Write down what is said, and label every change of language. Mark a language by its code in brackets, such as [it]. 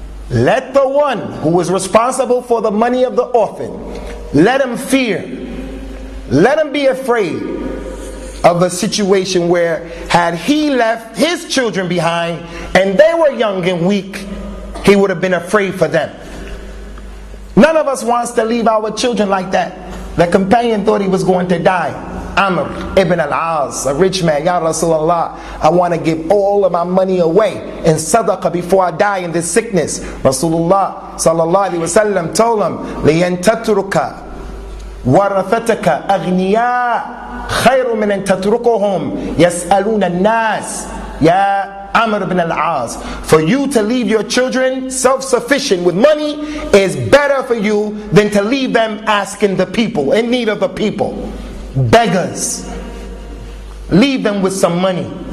[en] Let the one who is responsible for the money of the orphan, let him fear, let him be afraid of a situation where had he left his children behind and they were young and weak, he would have been afraid for them. None of us wants to leave our children like that. The companion thought he was going to die. Amr ibn al-As, a rich man, Ya Rasulullah, I want to give all of my money away in sadaqah before I die in this sickness. [ar] Rasulullah sallallahu alayhi wa sallam [en] told him, [ar] لِيَنْ تَتْرُكَ وَرَثَتَكَ أَغْنِيَا خَيْرٌ مِنْ أَنْ تَتْرُكُهُمْ يَسْأَلُونَ النَّاسِ. [en] Ya Amr ibn al-As, for you to leave your children self-sufficient with money is better for you than to leave them asking the people, in need of the people. Beggars, leave them with some money.